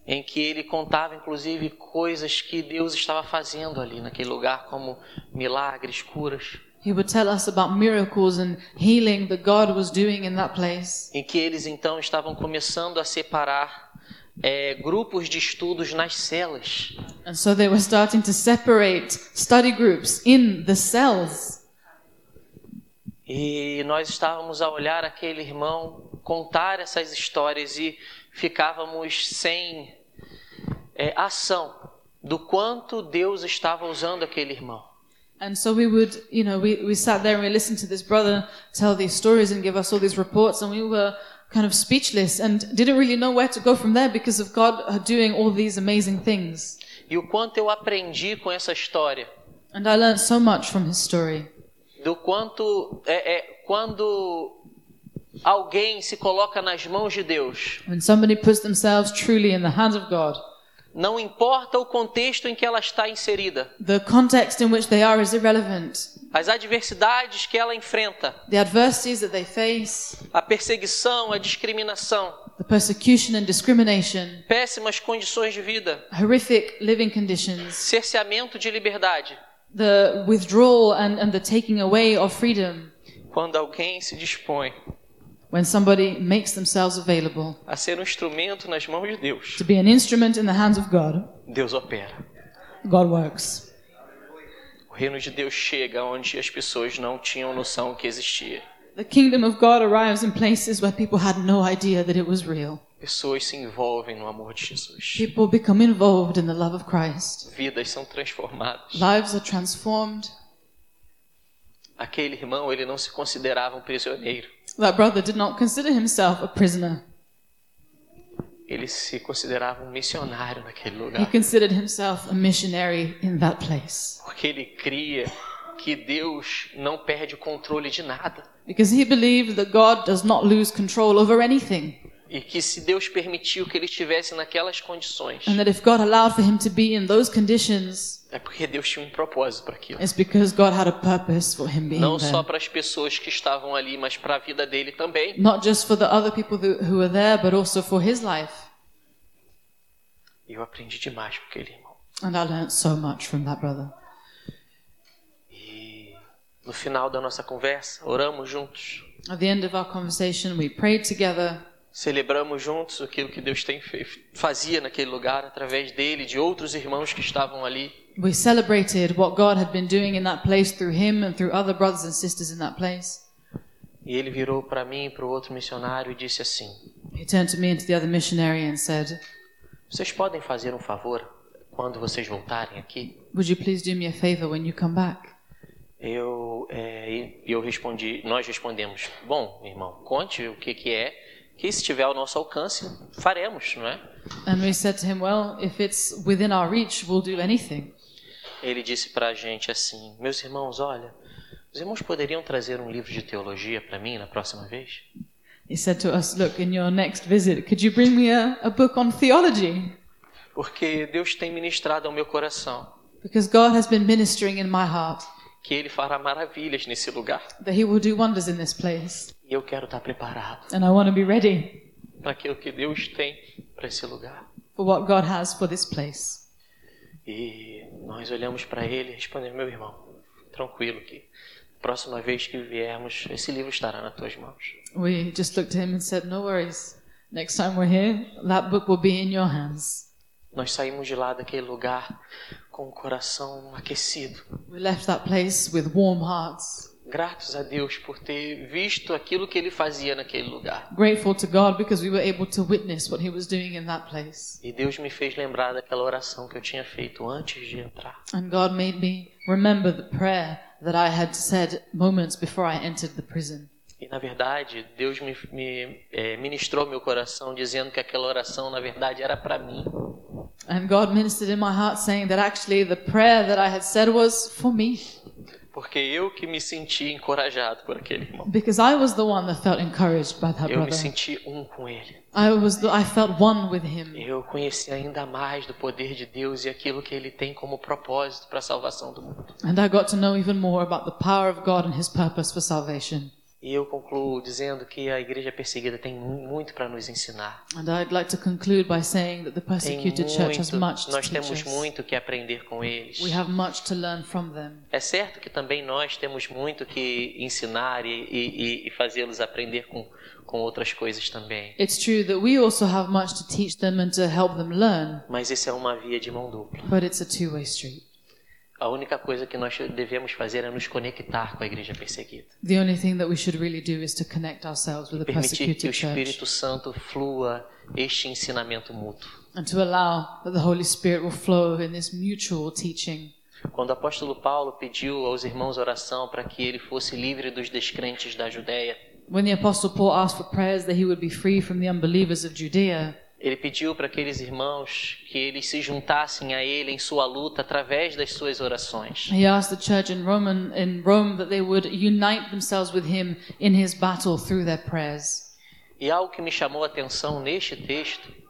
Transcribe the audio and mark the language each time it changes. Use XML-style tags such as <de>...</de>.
<pt>Em que ele contava, inclusive, coisas que Deus estava fazendo ali naquele lugar, como milagres, curas.</pt> <en>He would tell us about miracles and healing that God was doing in that place.</en> <pt>Em que eles então estavam começando a separar grupos de estudos nas celas.</pt> <en>And so they were starting to separate study groups in the cells.</en> <pt>E nós estávamos a olhar aquele irmão contar essas histórias e ficávamos sem ação do quanto Deus estava usando aquele irmão.</pt> <en>And so we would, you know, we sat there and we listened to this brother tell these stories and give us all these reports, and we were kind of speechless and didn't really know where to go from there because of God doing all these amazing things.</en> <pt>E o quanto eu aprendi com essa história.</pt> <en>And I learned so much from his story.</en> <pt>Do quanto quando alguém se coloca nas mãos de Deus.</pt> <en>When somebody puts themselves truly in the hands of God.</en> <pt>Não importa o contexto em que ela está inserida.</pt> <en>The context in which they are is irrelevant.</en> <pt>As adversidades que ela enfrenta.</pt> <en>The adversities that they face.</en> <pt>A perseguição, a discriminação.</pt> <en>The persecution and discrimination.</en> <pt>Péssimas condições de vida.</pt> <en>Horrific living conditions.</en> <pt>Cerceamento de liberdade.</pt> <en>The withdrawal and the taking away of freedom.</en> <pt>Quando alguém se dispõe.</pt> <en>When somebody makes themselves available,</en> <pt>a ser um instrumento nas mãos de Deus,</pt> <en>to be an instrument in the hands of God,</en> <pt>Deus opera.</pt> <en>God works.</en> <pt>O reino de Deus chega onde as pessoas não tinham noção que existia.</pt> <en>The kingdom of God arrives in places where people had no idea that it was real.</en> <pt>Pessoas se envolvem no amor de Jesus.</pt> <en>People become involved in the love of Christ.</en> <pt>Vidas são transformadas.</pt> <en>Lives are transformed.</en> <pt>Aquele irmão, ele não se considerava um prisioneiro.</pt> <en>That brother did not consider himself a prisoner.</en> <pt>Ele se considerava um missionário naquele lugar.</pt> <en>He considered himself a missionary in that place.</en> <pt>Porque ele cria que Deus não perde o controle de nada.</pt> <en>Because he believed that God does not lose control over anything.</en> <pt>E que se Deus permitiu que ele estivesse naquelas condições.</pt> <en>And that if God allowed for him to be in those conditions.</en> <pt>É porque Deus tinha um propósito para aquilo.</pt> <en>It's because God had a purpose for him being</en> <pt>Não</pt> <en>there.</en> <pt>Só para as pessoas que estavam ali, mas para a vida dele também.</pt> <en>Not just for the other people who were there, but also for his life.</en> <pt>E eu aprendi demais com aquele irmão.</pt> <en>And I learned so much from that brother.</en> <pt>E no final da nossa conversa, oramos juntos.</pt> <en>At the end of our conversation, we prayed together.</en> <pt>Celebramos juntos aquilo que Deus fazia naquele lugar através dele e de outros irmãos que estavam ali.</pt> <en>We celebrated what God had been doing in that place through him and through other brothers and sisters in that place.</en> <pt>E ele virou para mim e para o outro missionário e disse assim.</pt> <en>He turned to me and to the other missionary and said,</en> <pt>vocês podem fazer um favor quando vocês voltarem aqui?</pt> <en>Would you please do me a favor when you come back?</en> <pt>Eu respondi, nós respondemos, bom, irmão, conte o que que é. Que se tiver ao nosso alcance, faremos, não é?</pt> <en>And we said to him, well, if it's within our reach, we'll do anything.</en> <pt>Ele disse para a gente assim, meus irmãos, olha, os irmãos poderiam trazer um livro de teologia para mim na próxima vez?</pt> <en>He said to us, look, in your next visit, could you bring me a book on theology?</en> <pt>Porque Deus tem ministrado ao meu coração.</pt> <en>Because God has been ministering in my heart.</en> <pt>Que ele fará maravilhas nesse lugar.</pt> <en>That he will do wonders in this place.</en> <pt>E eu quero estar preparado.</pt> <en>And I want to be ready.</en> <pt>Para aquilo que Deus tem para esse lugar.</pt> <en>For what God has for this place.</en> <pt>E nós olhamos para ele e respondemos, meu irmão, tranquilo que próxima vez que viermos, esse livro estará nas tuas mãos.</pt> <en>We just looked at him and said, no worries. Next time we're here, that book will be in your hands.</en> <pt>Nós saímos de lá daquele lugar com o coração aquecido.</pt> <en>We left that place with warm hearts.</en> <pt>Gratos a Deus por ter visto aquilo que ele fazia naquele lugar.</pt> <en>Grateful to God because we were able to witness what he was doing in that place.</en> <pt>E Deus me fez lembrar daquela oração que eu tinha feito antes de entrar.</pt> <en>And God made me remember the prayer that I had said moments before I entered the prison.</en> <pt>E na verdade, Deus ministrou meu coração dizendo que aquela oração na verdade era para mim.</pt> <en>And God ministered in my heart saying that actually the prayer that I had said was for me.</en> <pt>Porque eu que me senti encorajado por aquele irmão.</pt> <en>Because I was the one that felt encouraged by that brother.</en> <pt>Eu me senti um com ele.</pt> <en>I felt one with him.</en> <pt>Eu conheci ainda mais do poder de Deus e aquilo que ele tem como propósito para a salvação do mundo.</pt> <en>And I got to know even more about the power of God and his purpose for salvation.</en> <pt>E eu concluo dizendo que a igreja perseguida tem muito para nos ensinar.</pt> <en>And I'd like to conclude by saying that the persecuted church has much to teach us.</en> <pt>Nós temos muito que aprender com eles.</pt> <en>We have much to learn from them.</en> <pt>É certo que também nós temos muito que ensinar e fazê-los aprender com outras coisas também.</pt> <en>It's true that we also have much to teach them and to help them learn.</en> <pt>Mas isso é uma via de mão dupla.</pt> <en>But it's a two-way street.</en> <pt>A única coisa que nós devemos fazer é nos conectar com a igreja perseguida.</pt> <en>The only thing that we should really do is to connect ourselves with the persecuted church.</en> <pt>Permitir que o Espírito Santo flua este ensinamento mútuo.</pt> <en>And to allow that the Holy Spirit will flow in this mutual teaching.</en> <pt>Quando o apóstolo Paulo pediu aos irmãos oração para que ele fosse livre dos descrentes da Judeia.</pt> <en>When the apostle Paul asked for prayers that he would be free from the unbelievers of Judea.</en> <pt>Ele pediu para aqueles irmãos que eles se juntassem a ele em sua luta através das suas orações.</pt> <en>He asked the church in Rome that they would unite themselves with him in his battle through their prayers.</en> <pt>E algo que me chamou a atenção neste texto.</pt>